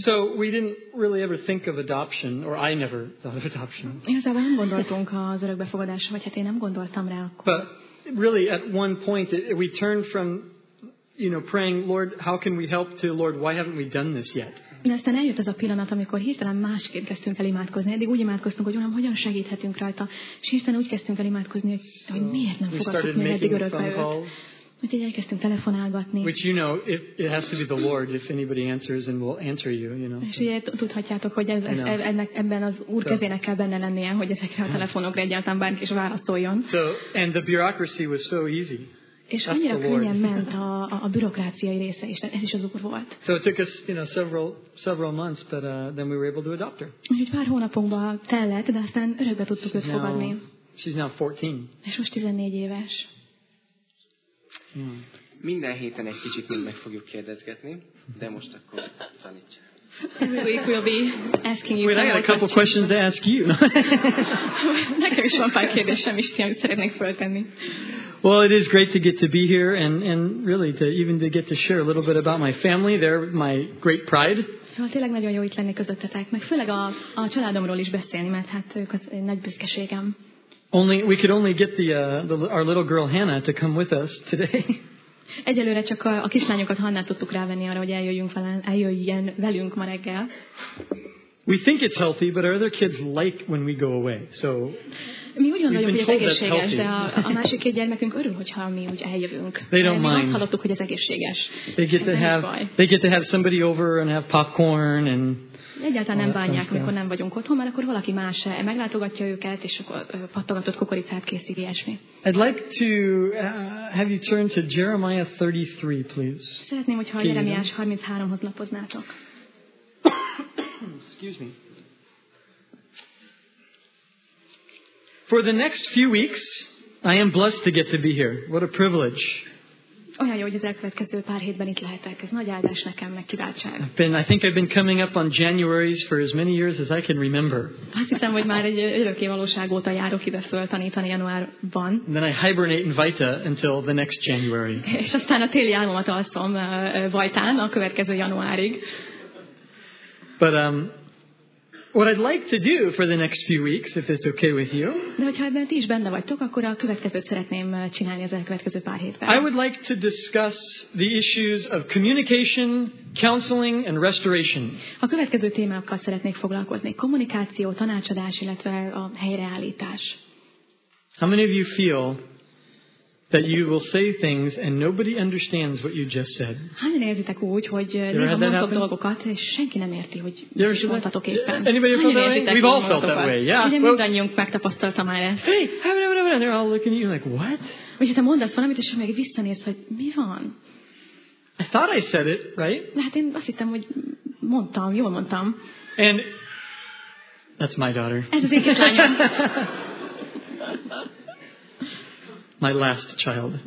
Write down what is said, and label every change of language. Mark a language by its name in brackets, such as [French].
[English] So we didn't really ever think of adoption, or I never thought of adoption. [Hungarian] Igazából nem gondoltunk az örökbefogadásra, vagy hát én nem gondoltam rá akkor. [English] But really, at one point, we turned from, you know, praying, Lord, how can we help, to Lord, why haven't we done this yet? [Hungarian] De aztán eljött az a pillanat, amikor hirtelen másként kezdtünk el imádkozni. Eddig úgy imádkoztunk, hogy Uram, hogyan segíthetünk rajta. És hirtelen úgy kezdtünk el imádkozni, hogy miért nem fogadtuk meg eddig örökbe őt. Úgyhogy elkezdtünk telefonálgatni. [English] Which, you know, it has to be the Lord, if anybody answers and will answer you, you know. [Hungarian] És ugye tudhatjátok, hogy ebben az Úr kezének kell benne lennie, hogy ezekre a telefonokra egyáltalán bárki is válaszoljon. [English] So, and the bureaucracy was so easy. [Hungarian] És annyira könnyen ment a bürokráciai része is, ez is az Úr volt. [English] So it took us, you know, several months, but then we were able to adopt her. [Hungarian] Úgyhogy pár hónapunkba tellett, de aztán örökbe tudtuk őt fogadni. [English] She's now 14. [Hungarian] És most 14 éves. Minden héten egy kicsit meg fogjuk kérdezgetni, de most akkor tanítsa. [English] Every week we'll be asking you. Wait, I got a couple questions to ask you. [Hungarian] Nekem is van pár kérdésem is, amit szeretnék feltenni. [English] Well, it is great to get to be here and really to even to get to share a little bit about my family. They're my great pride. [Hungarian] Szóval tényleg nagyon jó itt lenni közöttetek, meg főleg a családomról is beszélni, mert hát ők az nagy büszkeségem. [English] Only we could only get the our little girl Hannah to come with us today. [Hungarian] Egyelőre csak a kislányokat Hannát tudtuk rávenni arra, hogy eljöjjön velünk ma reggel. [English] We think it's healthy, but our other kids like when we go away. So [Hungarian] mi úgy gondoljuk, hogy ez egészséges, de a másik két gyermekünk örül, hogyha mi úgy eljövünk. [English] They don't mind. [Hungarian] Mi azt hallottuk, hogy ez egészséges. [English] They get to have somebody over and have popcorn and. [Hungarian] Egyáltalán nem bánják, amikor nem vagyunk otthon, mert akkor valaki más meglátogatja őket, és akkor pattogatott kukoricát készít, ilyesmi. [English] I'd like to have you turn to Jeremiah 33, please. [Hungarian] Szeretném, hogyha a Jeremiás 33-hoz lapoznátok. [English] Excuse me. For the next few weeks, I am blessed to get to be here. What a privilege. [Hungarian] Olyan jó, hogy az elkövetkező pár hétben itt lehetek. Ez nagy áldás nekem, meg kiváltság. [English] I've been coming up on Januarys for as many years as I can remember. [Hungarian] Azt hiszem, hogy már egy örökké valóság óta járok ide föltanítani januárban. [English] Then I hibernate in Vajta until the next January. [Hungarian] És aztán a téli álmomat alszom Vajtán a következő januárig. [English] But what I'd like to do for the next few weeks, if it's okay with you. [Hungarian] De hogyha ebben ti is benne vagytok, akkor a következőt szeretném csinálni az elkövetkező pár hétben. [English] I would like to discuss the issues of communication, counseling and restoration. [Hungarian] A következő témákkal szeretnék foglalkozni: kommunikáció, tanácsadás, illetve a helyreállítás. [English] How many of you feel that you will say things and nobody understands what you just said? [Hungarian] Hányan érzitek úgy, hogy néha mondtok dolgokat, és senki nem érti, hogy mit mondtatok éppen? [English] Anybody feel that way? We've all felt that way, yeah. [Hungarian] Ugye mindannyiunk megtapasztalta már ezt. [English] Hey, and they're all looking at you like, what? [Hungarian] Ugye te mondasz valamit, és meg visszanézsz, hogy mi van? [English] I thought I said it, right? [Hungarian] Hát én azt hittem, hogy mondtam, jól mondtam. [English] And that's my daughter. [Hungarian] Ez az én kislányom. [English] My last child.